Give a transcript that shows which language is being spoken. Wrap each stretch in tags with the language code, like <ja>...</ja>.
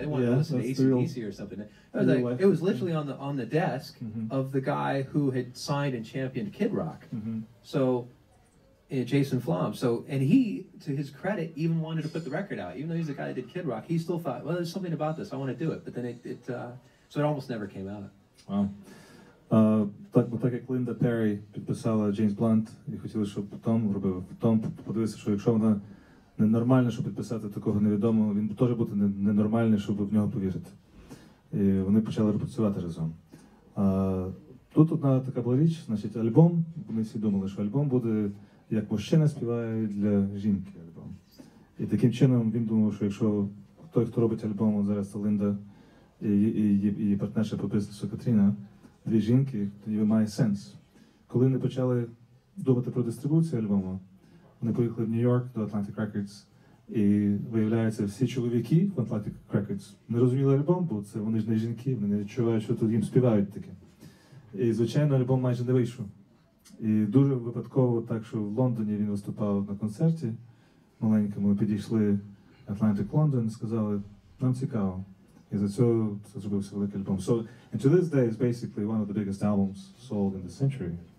<en>They want to listen to AC/DC or something. It was literally on the desk mm-hmm. of the guy who had signed and championed Kid Rock. Mm-hmm. So, Jason Flom. So, and he, to his credit, even wanted to put the record out. Even though he's the guy that did Kid Rock, he still thought, well, there's something about this. I want to do it. But then it almost never came out. Wow.</en> <uk>Так як Линда Перрі підписала Джеймс Блант і хотіла, щоб потім робив, потім подивився, що якщо вона ненормально, щоб підписати такого невідомого, він теж буде ненормальний, щоб в нього повірити. І вони почали працювати разом. Тут одна така була річ, значить, альбом, вони всі думали, що альбом буде, як мужчина співає для жінки альбом. І таким чином він думав, що якщо той, хто робить альбом, зараз це Линда і партнерша по бізнесу Катріна, дві жінки, то ніби має сенс. Коли вони почали думати про дистрибуцію альбому, вони поїхали в Нью-Йорк до Atlantic Records, і виявляється, всі чоловіки в Atlantic Records не розуміли альбом, бо це вони ж не жінки, вони не відчувають, що тут їм співають таке. І, звичайно, альбом майже не вийшов. І дуже випадково так, що в Лондоні він виступав на концерті маленькому, підійшли Atlantic London і сказали, нам цікаво. І за цього це зробився великий альбом.</uk> <en>So, and to this day, it's basically one of the biggest albums sold in the century,</en>